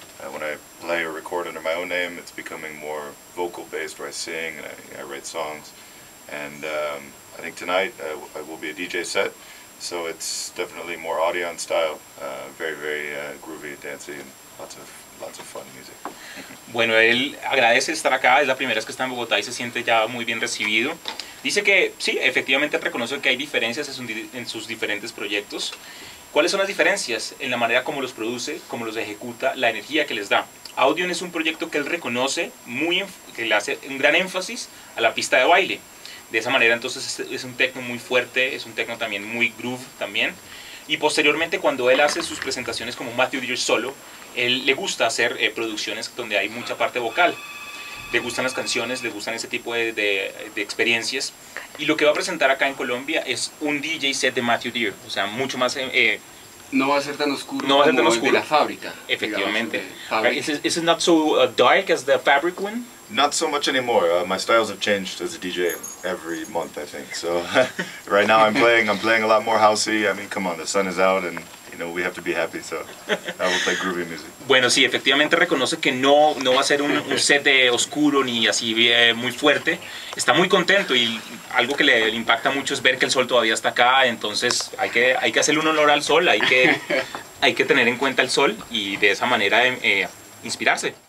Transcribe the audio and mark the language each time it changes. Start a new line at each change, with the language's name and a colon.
English: When I play or record under my own name, it's becoming more vocal based, where I sing and I write songs. And I think tonight I will be a DJ set, so it's definitely more Audion style, very groovy, dancey, and lots of fun music.
Spanish: Bueno, él agradece estar acá. Es la primera vez que está en Bogotá y se siente ya muy bien recibido. Dice que sí, efectivamente reconoce que hay diferencias en sus diferentes proyectos. ¿Cuáles son las diferencias en la manera como los produce, cómo los ejecuta, la energía que les da? Audion es un proyecto que él reconoce muy, que le hace un gran énfasis a la pista de baile. De esa manera, entonces es un techno muy fuerte, es un techno también muy groove también. Y posteriormente, cuando él hace sus presentaciones como Matthew Deary solo, él le gusta hacer producciones donde hay mucha parte vocal. Le gustan las canciones, le gustan ese tipo de experiencias. Y lo que va a presentar acá en Colombia es un DJ set de Matthew Deary. O sea, mucho más... No va a ser tan oscuro no va a ser como tan oscuro. El de la fábrica. Efectivamente.
English: Is it not so dark as the fabric one? Not so much anymore. My styles have changed as a DJ every month, I think. So right now I'm playing a lot more housey. I mean, come on, the sun is out and... You know, we have to be happy, so I will play groovy music.
Spanish: Bueno, sí, efectivamente reconoce que no va a ser un set de oscuro ni así muy fuerte. Está muy contento y algo que le impacta mucho es ver que el sol todavía está acá, entonces hay que hacerle un honor al sol, hay que tener en cuenta el sol y de esa manera inspirarse.